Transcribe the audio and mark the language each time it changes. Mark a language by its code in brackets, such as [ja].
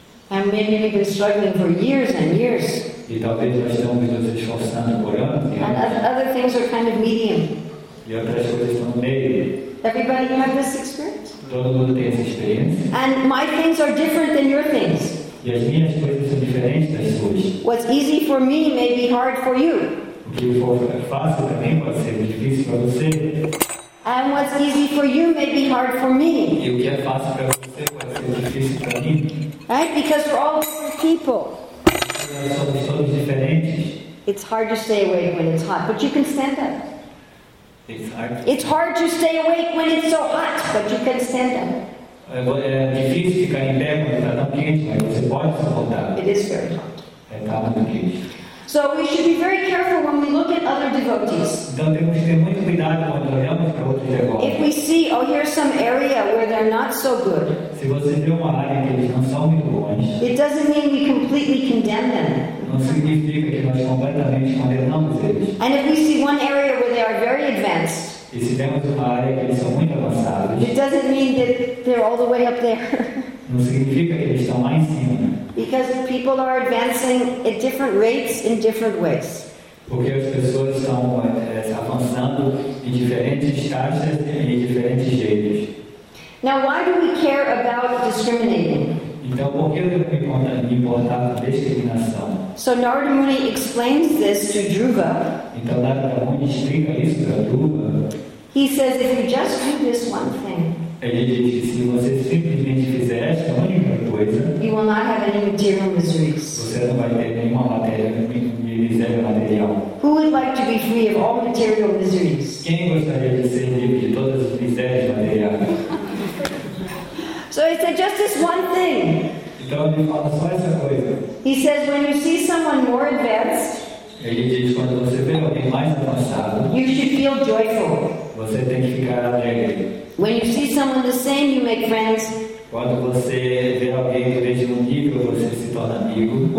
[en] And maybe we've been struggling for years and years. [pt] E talvez nós estamos nos esforçando por anos. [en] And other things are kind of medium. [pt] E outras coisas são meio. [en] Everybody have this experience? [pt] Todo mundo tem essa experiência. [en] And my things are different than your things. [pt] E as minhas coisas são diferentes das suas. [en] What's easy for me may be hard for you. [pt] O que for fácil para mim pode ser difícil para você. [en] And what's easy for you may be hard for me. [pt] E o que é fácil para você pode ser difícil para mim. [en] Right? Because we're all different people. [pt] Somos todos diferentes. [en] It's hard to stay awake when it's hot, but you can stand up. It's hard to stay awake when it's so hot, but you can stand up. [pt] É difícil ficar em pé quando está tão quente, mas você pode se levantar. [en] It is very hot. [pt] É tão quente. [en] So we should be very careful when we look at other devotees. [pt] Então devemos ter muito cuidado quando olhamos para outros devotos. [en] If we see, oh, here's some area where they're not so good. [pt] Se você vê uma área que eles não são muito bons. [en] It doesn't mean we completely condemn them. [pt] Não significa que nós completamente condenamos eles. [en] And if we see one area where they are very advanced. [pt] E se vemos uma área que eles são muito avançados. [en] It doesn't mean that they're all the way up there. [pt] Não significa que eles estão lá em cima. [en] Because people are advancing at different rates in different ways. [pt] Porque as pessoas estão avançando em diferentes taxas e em diferentes jeitos. [en] Now, why do we care about discriminating? [pt] Então, por que eu me importo com discriminação? [en] So Narada Muni explains this to Dhruva. [pt] Então, Narada Muni explica isso para Dhruva. [en] He says, if you just do this one thing. [pt] Ele diz que se você simplesmente fizer esta única coisa, [en] you will not have any material miseries. [pt] Você não vai ter nenhuma miséria material. [en] Who would like to be free of all material miseries? [pt] Quem gostaria de ser livre de todas as misérias materiais? [en] So he said just this one thing. [pt] Então ele fala só essa coisa. [en] He says when you see someone more advanced, [pt] ele diz quando você vê alguém mais avançado, [en] you should feel joyful. [pt] Você tem que ficar alegre. [en] When you see someone the same, you make friends. [pt] Quando você vê alguém do mesmo nível, você se torna amigo.